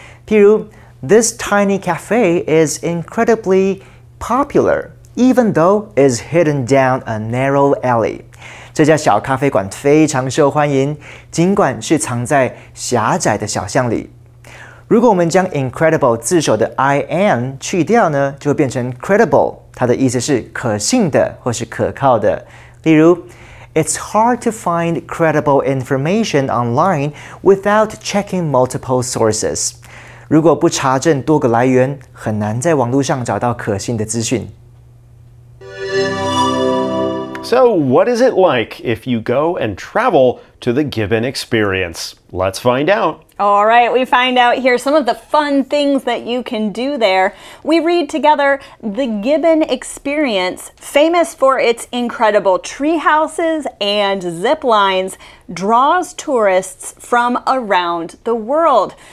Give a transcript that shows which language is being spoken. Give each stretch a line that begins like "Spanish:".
Chinese: 譬如
English: ，This tiny cafe is incredibly popular, even though it's hidden down a narrow alley.
Chinese: 这家小咖啡馆非常受欢迎，尽管是藏在狭窄的小巷里。如果我们将 incredible 字首的 I am 去掉呢，就会变成 credible， 它的意思是可信的或是可靠的。例如
English: ，It's hard to find credible information online without checking multiple sources.
Chinese: 如果不查证多个来源，很难在网路上找到可信的资讯。
English: So, what is it like if you go and travel to the Gibbon Experience? Let's find out. All right, we find out here some of the fun things that you can do there. We read together, the Gibbon Experience, famous for its incredible tree houses and zip lines, draws tourists from around the world.